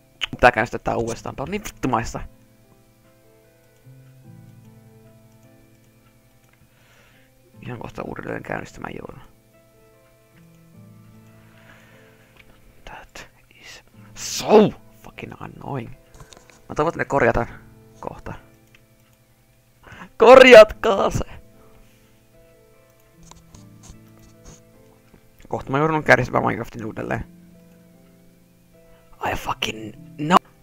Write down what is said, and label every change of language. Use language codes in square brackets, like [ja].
[fi] Pitää käynnistää tää uudestaan. Tää on niin vittumaista. Ihan kohta uudelleen käynnistämään joudun. [en] That is so fucking annoying. [fi] Mä toivon, että ne korjataan kohta. Korjatkaa se! Kohta mä joudun käynnistämään Minecraftin uudelleen. [en] I fucking know.